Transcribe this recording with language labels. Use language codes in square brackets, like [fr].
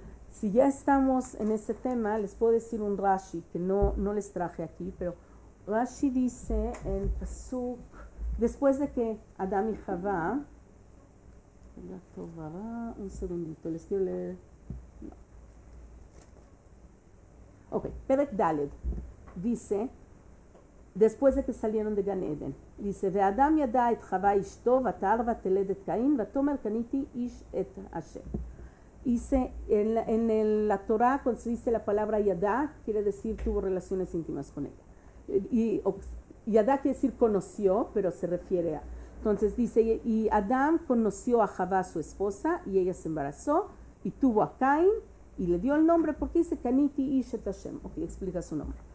[es] Si ya estamos en ese tema, les puedo decir un Rashi, que no les traje aquí, pero Rashi dice en Pasuk, después de que Adam y Javá, un segundito, les quiero leer. Ok, Perek Daled dice, después de que salieron de Gan Eden, dice, [he] ואדם ידע את חווה אשתו, ותער ותלד את קין, ותומר קניתי איש את השם. [es] Dice, en la Torah, cuando se dice la palabra yadá, quiere decir tuvo relaciones íntimas con ella. Y yadá quiere decir conoció, pero se refiere a... Entonces dice, y Adam conoció a Javá, su esposa, y ella se embarazó, y tuvo a Caín, y le dio el nombre, porque dice Caniti Ish et Hashem, ok, explica su nombre.